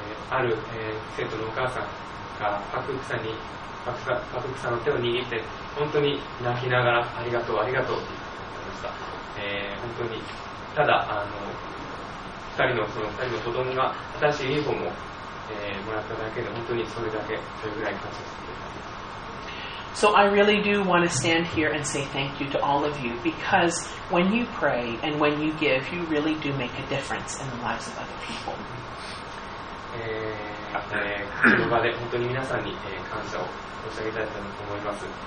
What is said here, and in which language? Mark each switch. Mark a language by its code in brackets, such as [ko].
[ja] ある、生徒のお母さんがパクさんの手を握って本当に泣きながらありがとうありがとうと言ってました。本当にただ二人の子供が新しいユニフォームを、もらっただけで本当にそれだけそれぐらい感謝しています。 [en] So I really do want to stand here and say thank you to all of you because when you pray and when you give, you really do make a difference in the lives of other people. [ja] この場で本当に皆さんに感謝を申し上げたいと思います。